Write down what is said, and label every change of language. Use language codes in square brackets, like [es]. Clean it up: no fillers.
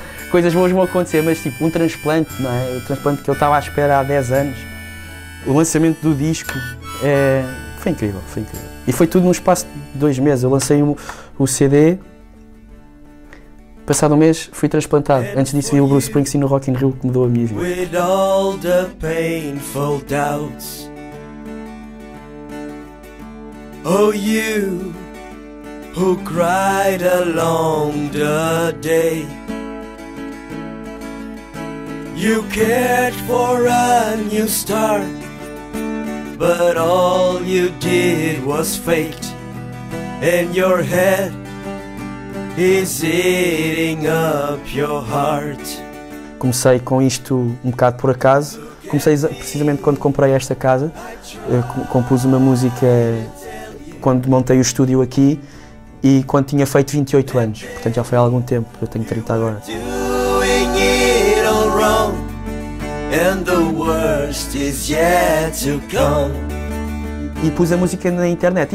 [pt] coisas boas vão acontecer, mas tipo, um transplante, não é? O transplante que eu estava à espera há 10 anos. O lançamento do disco foi incrível, foi incrível. E foi tudo num espaço de 2 meses. Eu lancei o CD, passado um mês fui transplantado. Antes disso vi o Bruce Springsteen no Rock in Rio, que mudou a minha vida. [en] With all the painful doubts, oh you who cried along the day, you cared for a new start, but all you did was fate, and your head is eating up your heart. [pt] Comecei com isto um bocado por acaso. Comecei precisamente quando comprei esta casa. Eu compus uma música quando montei o estúdio aqui e quando tinha feito 28 anos. Portanto, já foi há algum tempo, eu tenho 30 agora. E pus a música na internet.